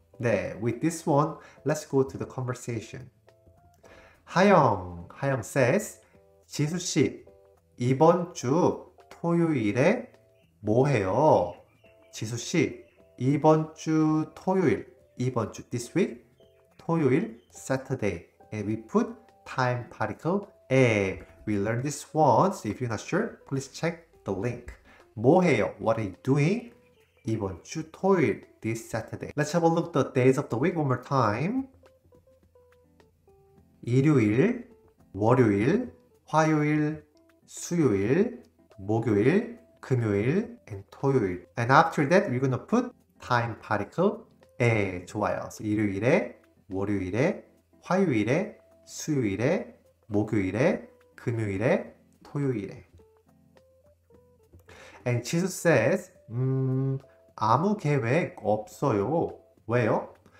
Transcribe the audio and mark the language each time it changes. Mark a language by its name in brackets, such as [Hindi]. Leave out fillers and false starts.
[English] 네, with this one, let's go to the conversation. [Korean] 하영, 하영 says, 지수 씨, 이번 주 토요일에 뭐 해요? 지수 씨, 이번 주 토요일, 이번 주 [English] this week, [Korean] 토요일 [English] Saturday, and we put time particle a. We learned this once. If you're not sure, please check the link. [Korean] 뭐해요? [English] What are you doing? [Korean] 이번 주 토요일, [English] this Saturday. Let's have a look at the days of the week one more time. [Korean] 일요일, 월요일, 화요일, 수요일, 목요일, 금요일, and 토요일. [English] And after that, we're gonna put time particle a. [Korean] 좋아요. So 일요일에, 월요일에, 화요일에, 수요일에, 목요일에, 금요일에, 토요일에. [English] And Jesus says, [Korean] 아무 계획 없어요. 왜요?